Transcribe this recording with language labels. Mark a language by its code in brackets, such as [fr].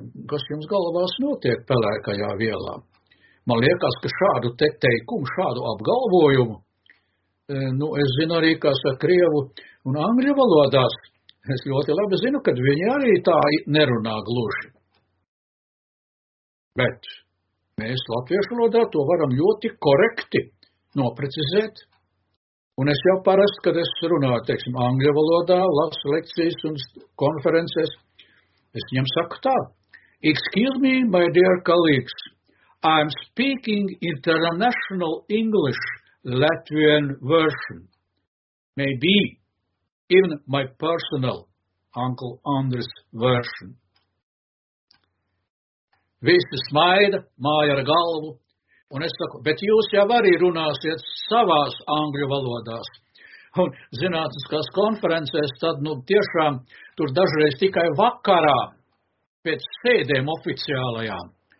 [lv] Kas jums galvās notiek pelēkajā vielā? Man liekas, ka šādu te teikumu, šādu apgalvojumu, nu, es zinu arī, kā saka krievu un angļu valodās, es ļoti labi zinu, ka viņi arī tā nerunā gluži. Bet mēs latviešu valodā to varam ļoti korekti noprecizēt. Un es jau parasti, kad es runāju, teiksim, angļu valodā, labas lekcijas un konferences, es viņam saku tā. [en] Excuse me, my dear colleagues, I'm speaking international English Latvian version. Maybe even my personal Uncle Andris version. [lv] Visi smaida, māja ar galvu. Un es saku, bet jūs jau arī runāsiet savās angļu valodās. Un zinātniskās konferencēs, tad, nu, tiešām tur dažreiz tikai vakarā pēc sēdēm oficiālajām.